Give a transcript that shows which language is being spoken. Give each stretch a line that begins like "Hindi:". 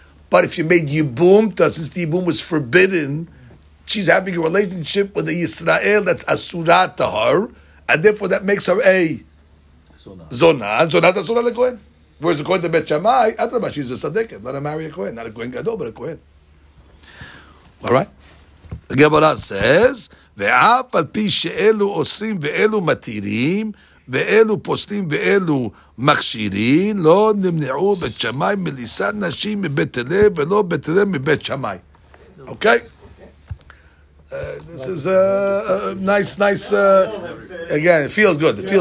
English: But if you made yibum, since the yibum was forbidden, she's having a relationship with a Yisrael that's asura to her, and therefore that makes her a zona. Zona's asura le kohen. Whereas according to Bet Shammai, Adrabah, she's a tzaddiket. Let her marry a kohen, not a kohen gadol, but a kohen. All right.
Hebrew: The Gemara says, ואף על פי שאלו אוסרים ואלו מתירים, ואלו פוסלים ואלו מכשירים, לא נמנעו בית שמאי מליסת נשים מבית הלב, ולא בית הלב מבית שמאי. אוקיי?
English: This is a nice, again, it feels good.